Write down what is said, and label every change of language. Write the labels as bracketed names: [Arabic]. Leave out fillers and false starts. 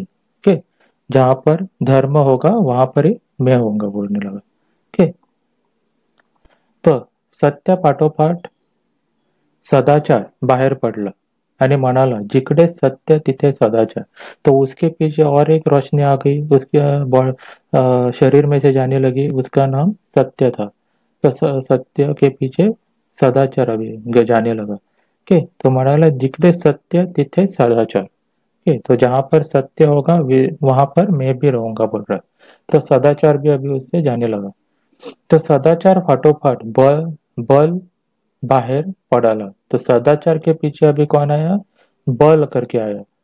[Hindi] Okay, जहां पर धर्म होगा वहां पर ही मैं होऊंगा बोलने लगा। [Marathi] ओके, तो सत्य पाठोपाठ सदाचार बाहेर पडला आणि म्हणाला, जिकडे सत्य तिथे सदाचार। [Hindi] तो उसके पीछे और एक रोशनी आ गई, उसके शरीर में से जाने लगी, उसका नाम सत्य था। तो सत्य के पीछे सदाचार अभी जाने लगा। [Marathi] ओके, तो म्हणाला, जिकडे सत्य तिथे सदाचार। [Hindi] ओके, तो जहां पर सत्य होगा वहां पर मैं भी रहूंगा बोल रहा। [Marathi] तो सदाचार भी अभी उससे जाने लगा। तो सदाचार फटोफट बल बल बाहर पड़ाला। [Hindi] तो सदाचार के पीछे अभी कौन आया, बल करके आया।